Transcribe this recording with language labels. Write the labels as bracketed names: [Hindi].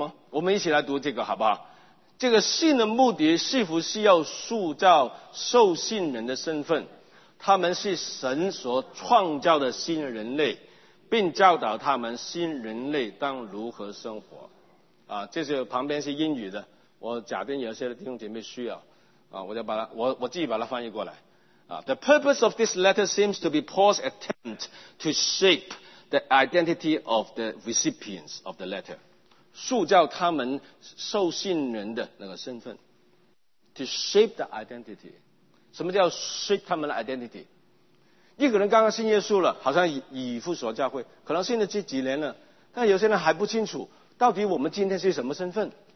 [Chinese] 我们一起来读这个好不好？这个信的目的是否是要塑造受信人的身份？他们是神所创造的新人类，并教导他们新人类当如何生活。啊，这是旁边是英语的，我假定有些弟兄姐妹需要，啊，我就把它我自己把它翻译过来。 [English] 啊 ，The purpose of this letter seems to be Paul's attempt to shape the identity of the recipients of the letter. [Chinese] 塑造他们受信人的那个身份 ， [English] to shape the identity。 [Chinese] 什么叫 shape 他们的 identity？ 一个人刚刚信耶稣了，好像以弗所教会，可能信了这几年了，但有些人还不清楚到底我们今天是什么身份。